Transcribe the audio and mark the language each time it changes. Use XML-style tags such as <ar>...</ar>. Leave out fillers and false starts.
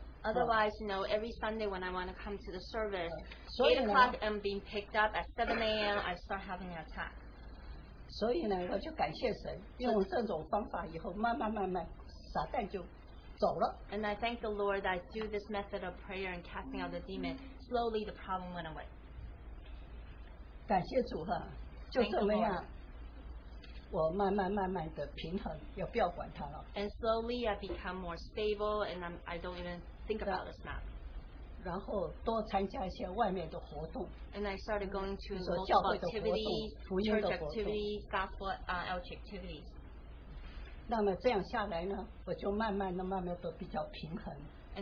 <en>Otherwise, you know, every Sunday when I want to come to the service, 8 o'clock I'm being picked up at 7 a.m. I start having an attack.</en> <zh>所以呢，我就感谢神，用这种方法以后，慢慢慢慢，撒旦就走了。</zh> <en>And I thank the Lord that I do this method of prayer and casting out the demon. Slowly, the problem went away.</en> <zh>感谢主哈，就这么样。我慢慢慢慢的平衡，也不要管它了。</zh> <en>And slowly I become more stable, and I don't even think about this map.</en> <zh>然后多参加一些外面的活动。</zh> <en>And I started going to multiple activities, church activities, gospel outreach activities.</en> <zh>那么这样下来呢，我就慢慢的慢慢的比较平衡。</zh> <en>And</en>